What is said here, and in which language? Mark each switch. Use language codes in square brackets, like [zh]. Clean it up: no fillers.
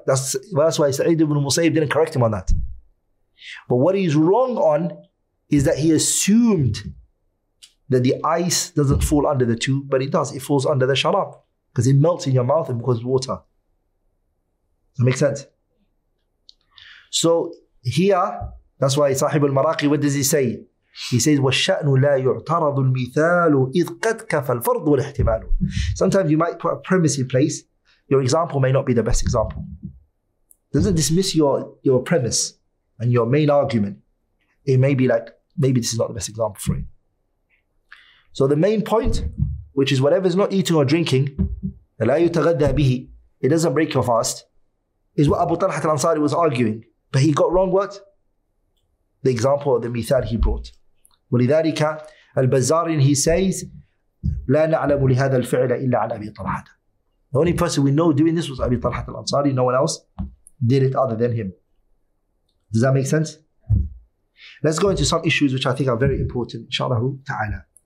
[en] That's why Sa'id ibn Musayyib didn't correct him on that. But what he's wrong on is that he assumed that the ice doesn't fall under the two, but it does. It falls under the sharab because it melts in your mouth and becomes water. Does that make sense? So here, that's why Sahib al-Maraqi, what does he say? [ar] He says, والشأن لا يعترض المثال إذ قد كفى الفرض والاحتمال. [en] Sometimes you might put a premise in place, your example may not be the best example. Doesn't dismiss your premise and your main argument. It may be like, maybe this is not the best example for you. So the main point, which is whatever is not eating or drinking, [ar] لا يتغدى به, [en] it doesn't break your fast, is what Abu Talha al-Ansari was arguing. But he got wrong what? The example of the mithal he brought. [ar] ولذلك البزارين, [en] he says, [ar] لا نعلم لهذا الفعل إلا عن أبي طلحة. [en] The only person we know doing this was Abi Talha al-Ansari. No one else did it other than him. Does that make sense? Let's go into some issues which I think are very important, inshallah ta'ala.